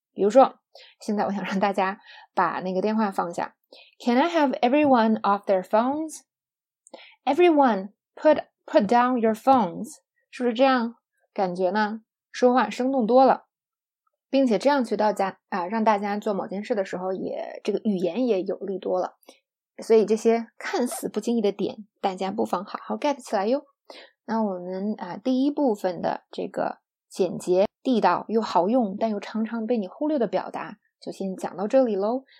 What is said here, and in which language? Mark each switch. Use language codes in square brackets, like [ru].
[zh] 比如说现在我想让大家把那个电话放下。 [en] Can I have everyone off their phones? Everyone put down your phones. [zh] 是不是这样感觉呢？说话生动多了，并且这样去到家让大家做某件事的时候，也这个语言也有力多了。所以这些看似不经意的点，大家不妨好好 get 起来哟。那我们第一部分的这个简洁地道又好用但又常常被你忽略的表达就先讲到这里咯。